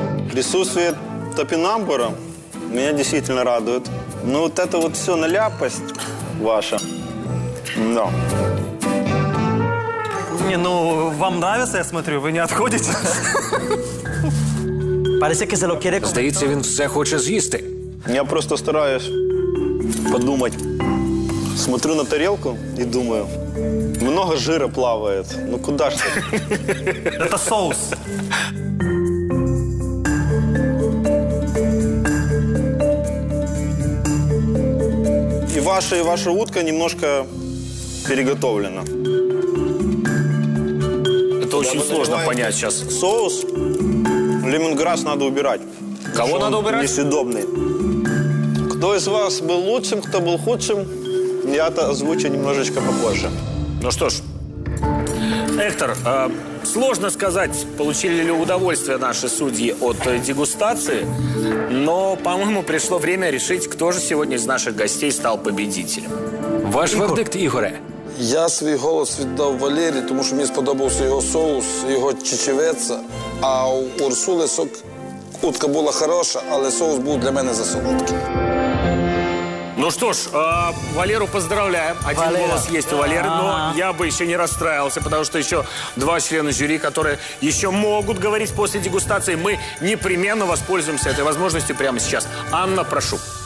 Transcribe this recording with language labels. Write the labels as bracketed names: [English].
[Russian] Присутствие топинамбура меня действительно радует. Но вот это вот все наляпость ваша. Да. Не, ну вам нравится, я смотрю, вы не отходите. [Ukrainian] Здається, він все хоче з'їсти. Я просто стараюсь подумати. Смотрю на тарілку і думаю, много жира плаває. Ну куди ж це? Це соус. І ваша утка немножко переготовлена. Це дуже складно зрозуміти зараз. Соус. [Russian] Лемонграсс надо убирать. Кого надо убирать? Несъедобный. Кто из вас был лучшим, кто был худшим, я это озвучу немножечко попозже. Ну что ж, Эктор, сложно сказать, получили ли удовольствие наши судьи от дегустации, но, по-моему, пришло время решить, кто же сегодня из наших гостей стал победителем. [Ukrainian] Ваш вердикт, Игоре. Я свій голос віддав Валерії, тому що мені сподобався його соус, його чечевиця. А у Урсули утка була хороша, але соус був для мене за солодкий. [Russian] Ну что ж, Валеру поздравляем. Один Валера. Голос есть у Валеры, но я бы еще не расстраивался, потому что еще два члена жюри, которые еще могут говорить после дегустации, мы непременно воспользуемся этой возможностью прямо сейчас. Анна, прошу.